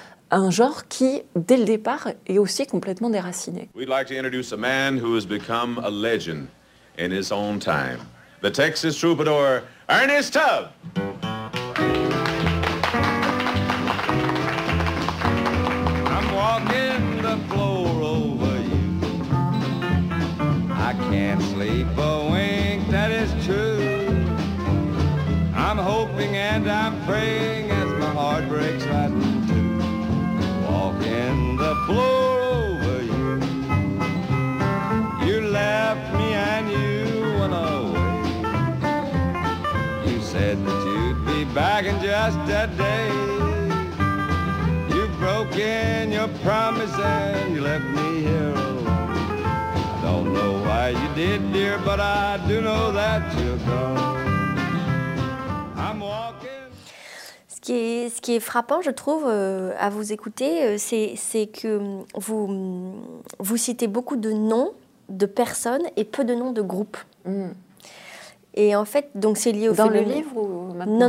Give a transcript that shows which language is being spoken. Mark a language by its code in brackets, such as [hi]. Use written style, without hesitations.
[fr] un genre qui, dès le départ, est aussi complètement déraciné. [en] We'd like to introduce a man who has become a legend in his own time. The Texas troubadour, Ernest Tubb! I'm walking the floor over you. I can't sleep a wink, that is true. I'm hoping and I'm praying as my heart breaks right now. In the floor over you, you left me and you went away. You said that you'd be back in just a day. You broke in your promise and you left me here alone. I don't know why you did, dear, but I do know that you're gone. [fr] Ce qui est frappant, je trouve, à vous écouter, c'est que vous citez beaucoup de noms de personnes et peu de noms de groupes. Et en fait, donc c'est lié au dans phénomène. Le livre ou maintenant?